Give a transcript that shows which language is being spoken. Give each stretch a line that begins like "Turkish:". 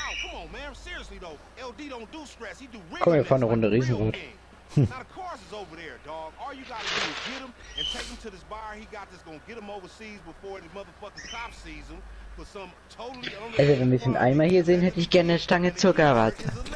German: Komm, wir fahren eine Runde Riesenrot.
English: Now the cars is over there, dog. All you gotta do is get him and take him to this buyer he got that's gonna get him overseas before the motherfucking cop sees him for some totally unlegal.
German: Also, wenn wir den Eimer hier sehen, hätte ich gerne eine Stange Zuckerwatte.